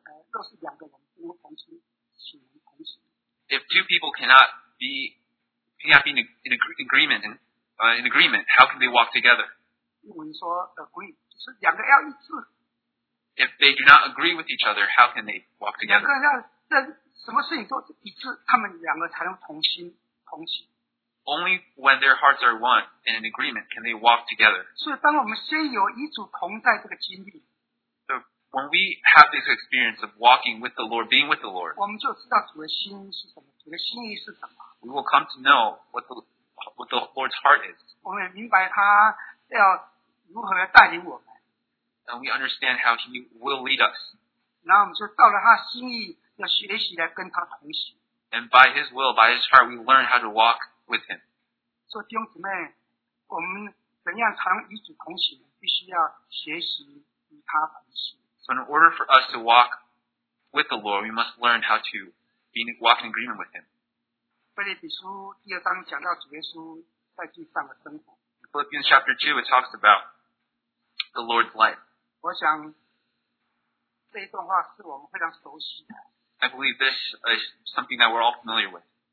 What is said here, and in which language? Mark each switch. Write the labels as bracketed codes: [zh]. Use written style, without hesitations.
[zh] 若是两个人不能同心，岂能同行？ [en] If two people cannot be in agreement, how can they walk together? [zh] 英文说 agree, 就是两个要一致。 [en] If they do not agree with each other, how can they walk together? [zh] 两个人要什么事情都一致，他们两个才能同心同行。 [en] Only when their hearts are one and in agreement can they walk together. So when we have this experience of walking with the Lord, being with the Lord, we will come to know what the Lord's heart is. [zh] 我们明白他要如何带领我们。 [en] And we understand how he will lead us. [zh] 然后我们就到了他心意，要学习来跟他同行。 [en] And by his will, by his heart, we learn how to walk with him. [zh] 所以弟兄姊妹，我们怎样常与主同行，必须要学习与他同行。 [en] So in order for us to walk with the Lord, we must learn how to walk in agreement with him. [zh] 腓立比书第二章讲到主耶稣在地上的生活。 [en] Philippians chapter 2, it talks about the Lord's life. [zh] 我想这一段话是我们非常熟悉的。 [en] I believe this is something that we're all familiar with.